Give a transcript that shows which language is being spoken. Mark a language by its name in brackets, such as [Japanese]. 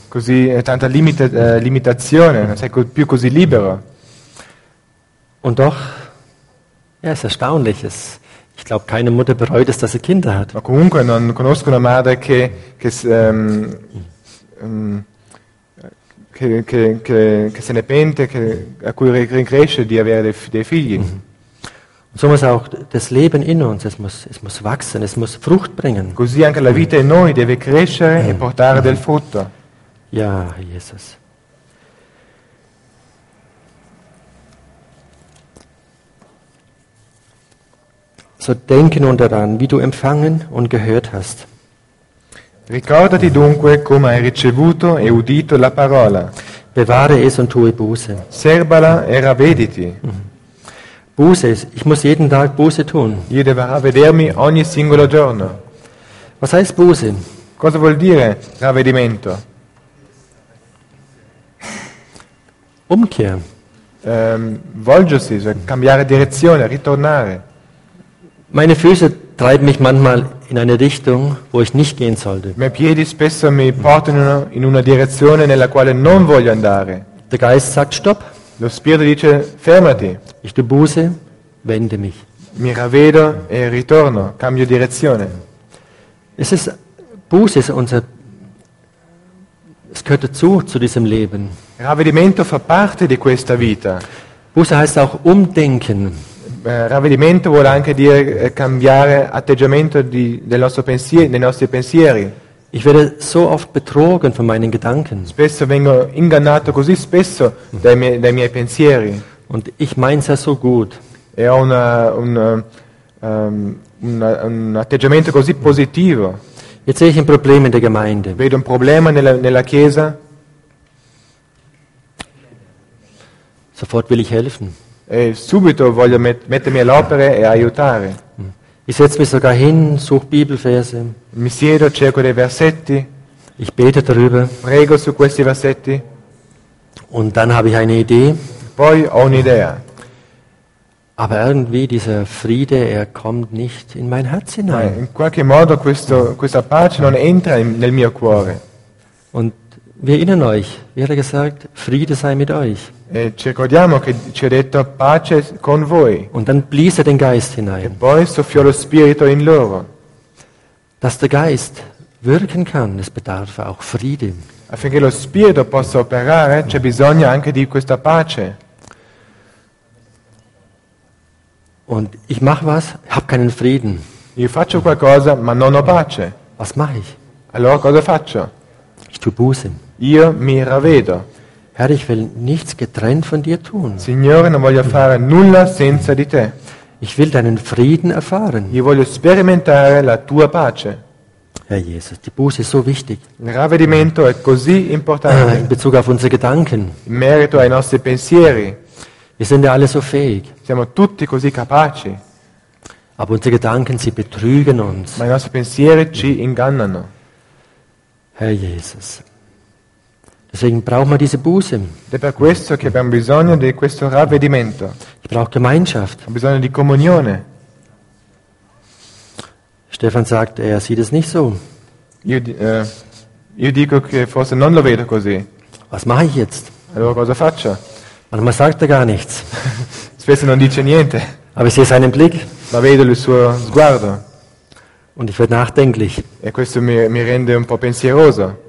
[Italian] Così tanta limitazione. Non sei più così libero. [German] Und doch, ja, es ist erstaunlich. Ich glaube, keine Mutter bereut es, dass sie Kinder hat. [Italian] Ma comunque non conosco una madre che se ne pente, a cui rincresce di avere dei figli. [German] So muss auch das Leben in uns, es muss wachsen, es muss Frucht bringen. [Italian] Così anche la vita in noi deve crescere e portare del frutto. [German] Ja, Jesus. So denke nun daran, wie du empfangen und gehört hast. [Italian] Ricordati dunque come hai ricevuto e udito la parola. [German] Bewahre es und tue Buße. [Italian] Serbala e ravvediti. [German] Buße, ich muss jeden Tag Buße tun. [Italian] Io devo ravvedermi ogni singolo giorno. [German] Was heißt Buße? [Italian] Cosa vuol dire ravvedimento? [German] Umkehr. [Italian] Volgersi, cioè cambiare direzione, ritornare. [German] Meine Füße treiben mich manchmal in eine Richtung, wo ich nicht gehen sollte. [Italian] I miei piedi spesso mi portano in una direzione nella quale non voglio andare. [German] Der Geist sagt stopp. [Italian] Lo spirito dice fermati. [German] Ich tue Buße, wende mich. [Italian] Mi ravvedo e ritorno, cambio direzione. [German] Es ist Buße, es gehört dazu zu diesem Leben. [Italian] Ravvedimento fa parte di questa vita. [German] Buße heißt auch umdenken. [Italian] Ravvedimento vuol anche dire cambiare atteggiamento dei nostri pensieri. [German] Ich werde so oft betrogen von meinen Gedanken. [Italian] Spesso vengo ingannato così spesso dai miei pensieri. [German] Und ich mein's ja so gut. [Italian] E ho un atteggiamento così positivo. [German] Jetzt sehe ich ein Problem in der Gemeinde. [Italian] Vedo un problema nella Chiesa. [German] Sofort will ich helfen. [Italian] E subito voglio mettermi all'opera e aiutare. [German] Ich setze mich sogar hin, suche Bibelverse. [Italian] Mi siedo, cerco dei versetti. [German] Ich bete darüber. [Italian] Prego su questi versetti. [German] Und dann habe ich eine Idee. [Italian] Poi ho un'idea. [German] Aber irgendwie dieser Friede, er kommt nicht in mein Herz hinein. [Italian] In qualche modo questa pace non entra nel mio cuore. [German] Und wir erinnern euch, wie hat er gesagt, Friede sei mit euch. [Italian] E ci ricordiamo che ci ha detto pace con voi. [German] Und dann blies er den Geist hinein. [Italian] E poi soffiò lo spirito in loro. [German] Dass der Geist wirken kann, es bedarf auch Friede. [Italian] Affinché lo spirito possa operare, c'è bisogno anche di questa pace. [German] Und ich mache was, habe keinen Frieden. [Italian] Io faccio qualcosa, ma non ho pace. [German] Was mache ich? [Italian] Allora cosa faccio? [German] Ich tue Buße. [Italian] Io mi ravvedo. [German] Herr, ich will nichts getrennt von dir tun. [Italian] Signore, non voglio fare nulla senza di te. [German] Ich will deinen Frieden erfahren. [Italian] Io voglio sperimentare la tua pace. [German] Herr Jesus, die Buße ist so wichtig. [Italian] Il ravvedimento è così importante. [German] In Bezug auf unsere Gedanken. [Italian] In merito ai nostri pensieri. [German] Wir sind ja alle so fähig. [Italian] Siamo tutti così capaci. [German] Aber unsere Gedanken, sie betrügen uns. [Italian] Ma i nostri pensieri ci ingannano. [German] Herr Jesus. Deswegen brauchen wir diese Buße. [Italian] Ed è per questo che abbiamo bisogno di questo ravvedimento. [German] Ich brauche Gemeinschaft. [Italian] Ho bisogno di comunione. [German] Stefan sagt, er sieht es nicht so. [Italian] Io dico che forse non lo vedo così. [German] Was mache ich jetzt? [Italian] Allora cosa faccio? [German] Ma sagt er gar nichts. [Italian] Spesso non dice niente. [German] Aber ich sehe seinen Blick. [Italian] Ma vedo il suo sguardo. [German] Und ich werde nachdenklich. [Italian] E questo mi rende un po' pensieroso.